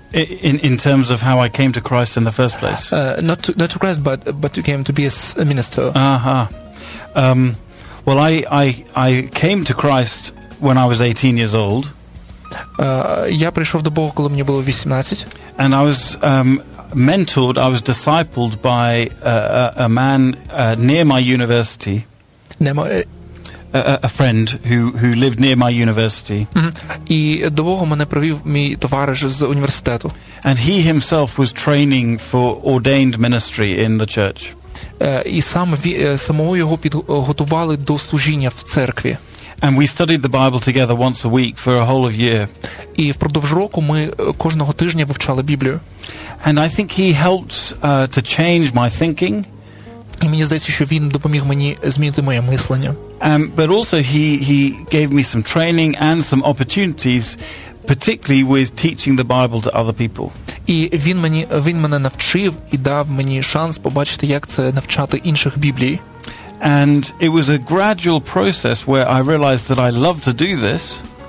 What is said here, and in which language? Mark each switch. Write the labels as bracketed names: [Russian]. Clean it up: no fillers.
[English] In terms of how I came to Christ in the first place? Not to Christ, but you came to be a minister. Uh-huh. Well, I came to Christ when I was 18 years old. [Ukrainian] Я прийшов до Бога, коли мені було 18. [English] And I was mentored, I was discipled by a man near my university. A friend who lived near my university. [Ukrainian] І до Бога мене провів мій товариш з університету. [English] And he himself was training for ordained ministry in the church. [Ukrainian] І самого його підготували до служіння в церкві. [English] And we studied the Bible together once a week for a whole of year. [Ukrainian] І впродовж року ми кожного тижня вивчали Біблію. [English] And I think he helped to change my thinking. [Ukrainian] І мені здається, що він допоміг мені змінити моє мислення. [English] But also he gave me some training and some opportunities, particularly with teaching the Bible to other people. [Ukrainian] І він мене навчив і дав мені шанс побачити, як це навчати інших Біблії. [English] And it was a gradual process where I realized that I love to do this.